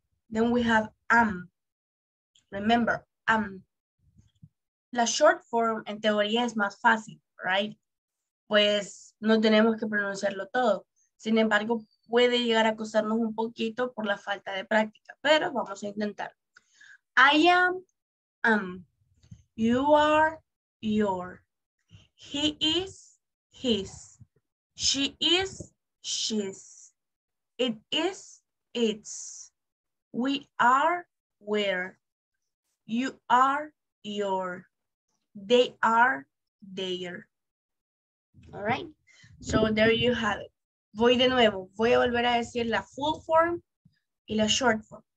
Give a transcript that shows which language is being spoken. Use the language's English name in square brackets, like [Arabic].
[English] Then we have am. Remember, am. [Spanish] La short form, en teoría, es más fácil, [English] right? [Spanish] Pues no tenemos que pronunciarlo todo. Sin embargo, puede llegar a costarnos un poquito por la falta de práctica, pero vamos a intentar. [English] I am, you are, your, he is, his, she is, she's, it is, it's, we are, we're, you are, your, they are, their. All right, so there you have it. [Spanish] Voy de nuevo, voy a volver a decir la full form y la short form.